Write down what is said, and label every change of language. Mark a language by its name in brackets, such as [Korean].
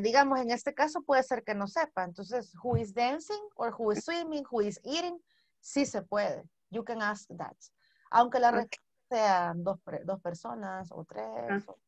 [Spanish] Digamos, en este caso puede ser que no sepa. Entonces, [English] who is dancing or who is swimming, who is eating, [Spanish] sí se puede. [English] You can ask that. [Spanish] Aunque la respuesta sea dos personas o tres.